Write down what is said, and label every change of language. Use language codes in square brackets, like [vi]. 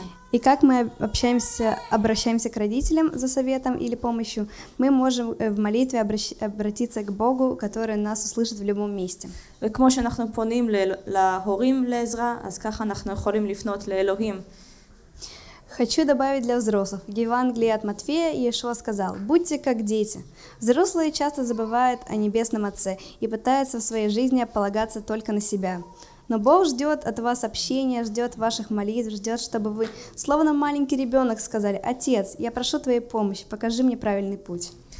[ru] И как мы обращаемся к родителям за советом или помощью, мы можем в молитве обратиться к Богу, который нас услышит в любом месте. [he] וכמו שאנחנו פונים להורים לעזרה, אז ככה אנחנו יכולים לפנות לאלוהים. [ru] Хочу добавить для взрослых. В Евангелии от Матфея Иешуа сказал: "Будьте как дети". Взрослые часто забывают о небесном Отце и пытаются в своей жизни полагаться только на себя. Но Бог ждёт от вас общения, ждёт ваших молитв, ждёт, чтобы вы, словно маленький ребёнок, сказали: "Отец, я прошу твоей помощи, покажи мне правильный путь".